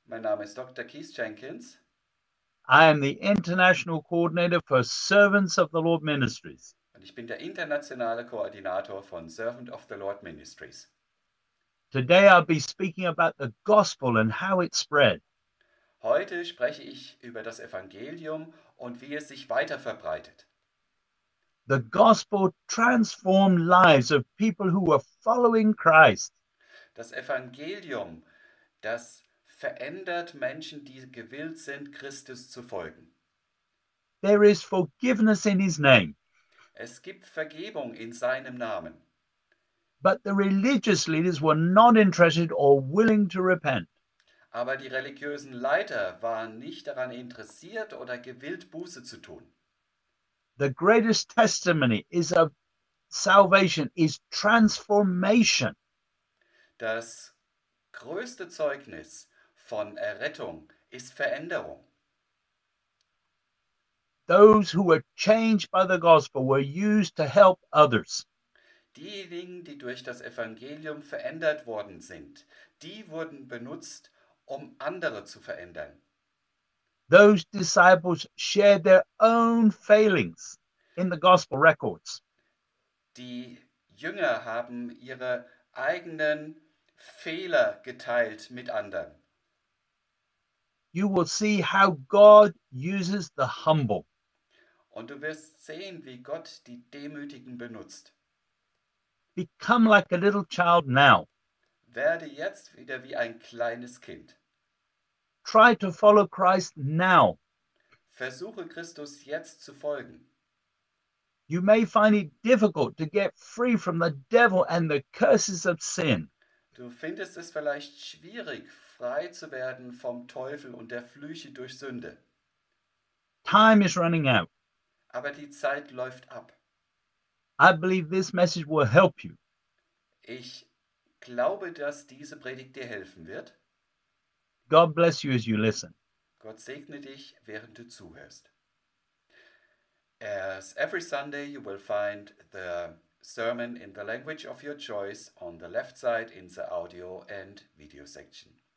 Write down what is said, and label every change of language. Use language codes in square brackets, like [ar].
[de] Mein Name ist Dr. Keith Jenkins. [en] I am the International Coordinator for Servants of the Lord Ministries. [de] Und ich bin der internationale Koordinator von Servant of the Lord Ministries. [en] Today I'll be speaking about the gospel and how it spread. [de] Heute spreche ich über das Evangelium und wie es sich weiter verbreitet. [en] The gospel transformed lives of people who were following Christ. [de] Das Evangelium, das verändert Menschen, die gewillt sind, Christus zu folgen. [en] There is forgiveness in his name. [de] Es gibt Vergebung in seinem Namen. [en] But the religious leaders were not interested or willing to repent. [de] Aber die religiösen Leiter waren nicht daran interessiert oder gewillt, Buße zu tun. [en] The greatest testimony is of salvation, is transformation. [de] Das größte Zeugnis von Errettung ist Veränderung. [en] Those who were changed by the gospel were used to help others. [de] Diejenigen, die durch das Evangelium verändert worden sind, die wurden benutzt, um andere zu verändern. [en] Those disciples shared their own failings in the gospel records. [de] Die Jünger haben ihre eigenen Fehler geteilt mit anderen. [en] You will see how God uses the humble. [de] Und du wirst sehen, wie Gott die Demütigen benutzt. [en] Become like a little child now. [de] Werde jetzt wieder wie ein kleines Kind. [en] Try to follow Christ now. [de] Versuche Christus jetzt zu folgen. [en] You may find it difficult to get free from the devil and the curses of sin. [de] Du findest es vielleicht schwierig, frei zu werden vom Teufel und der Flüche durch Sünde. [en] Time is running out. [de] Aber die Zeit läuft ab. [en] I believe this message will help you. [de] Ich glaube, dass diese Predigt dir helfen wird. [en] God bless you as you listen. [de] Gott segne dich, während du zuhörst. [en] As every Sunday, you will find the sermon in the language of your choice on the left side in the audio and video section.